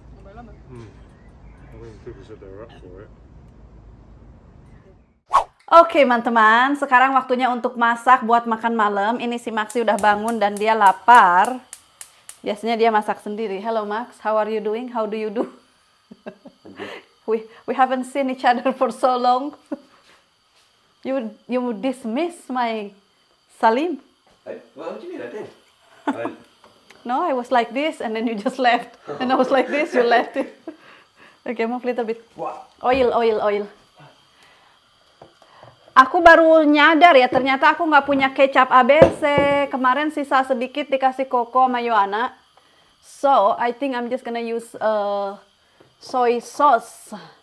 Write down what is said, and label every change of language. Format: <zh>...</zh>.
<en>I mean, people said they were up for it.</en> <id>Oke, teman-teman, sekarang waktunya untuk masak buat makan malam. Ini si Maxi udah bangun dan dia lapar. Biasanya dia masak sendiri.</id> <en>Hello Max, how are you doing? How do you do? We haven't seen each other for so long. You dismiss my Salim? What do you mean I did? No, I was like this and then you just left. And I was like this, you left it. Okay, move a little bit. What? Oil.</en> <id>Aku baru nyadar ya, ternyata aku nggak punya kecap ABC. Kemarin sisa sedikit dikasih Koko sama Yoana.</id> <en>So, I think I'm just gonna use soy sauce.</en>